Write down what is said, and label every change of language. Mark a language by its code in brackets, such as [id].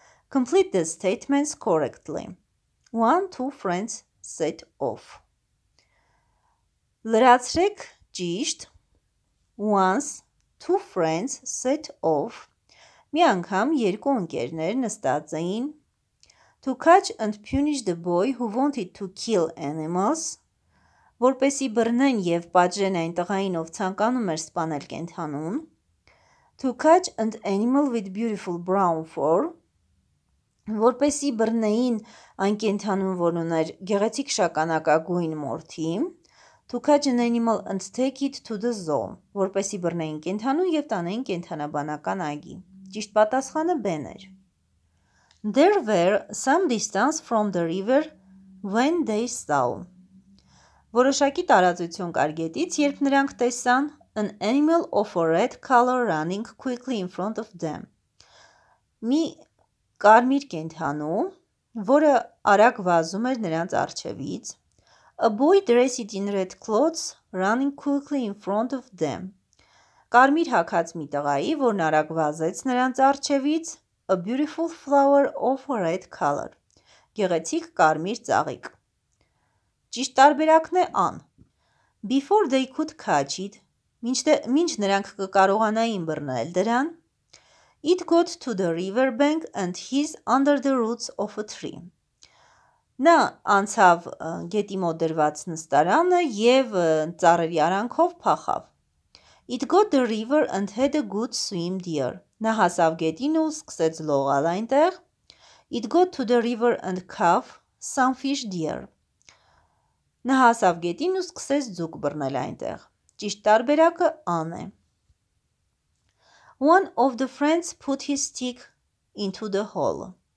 [en] Complete the statements correctly. One, two friends set off. [hy] Լրացրեք ճիշտ. [en] Once, two friends set off. [hy] Մի անգամ երկու ընկերներ նստած էին. [en] To catch and punish the boy who wanted to kill animals. [hy] Որպեսի բռնեն և պատժեն այն տղային, ով ցանկանում էր սպանել կենդանուն. [en] To catch an animal with beautiful brown fur. [hy] Որպեսի բռնեին այն կենդանուն, որ ուներ գեղեցիկ շականակագույն մորթի, [en] to catch an animal and take it to the zoo, [hy] որպեսի բռնեին կենդանուն և տանեին կենդանաբանական այգի, ճիշտ պատասխանը բեն էր. [en] There were some distance from the river when they saw. [hy] Որոշակի տարածություն կար գետից, երբ նրանք տեսան [en] an animal of a red color running quickly in front of them. [hy] Մի կարմիր կենդանու, որը արագ վազում էր նրանց առջևից. [en] A boy dressed in red clothes running quickly in front of them. [hy] Կարմիր հագած մի տղայի, որն արագ վազեց նրանց առջևից. [en] A beautiful flower of a red color. [hy] Գեղեցիկ կարմիր ծաղիկ. Ճիշտ տարբերակն է ան. [en] Before they could catch it, [hy] մինչ նրանք կկարողանային բռնել դրան, [en] It got to the riverbank and hid under the roots of a tree. [hy] Նա անցավ գետի մոտ դրված նստարանը և ծառերի արանքով փախավ. [en] It got the river and had a good swim there. [hy] Նա հասավ գետին ու սկսեց լողալ այնտեղ. [en] It got to the river and caught some fish there. [hy] Նա հասավ գետին ու սկսեց ձուկ բռնել այնտեղ. Ճիշտ տարբերակը ան է. [en] One of the friends put his stick into the hole.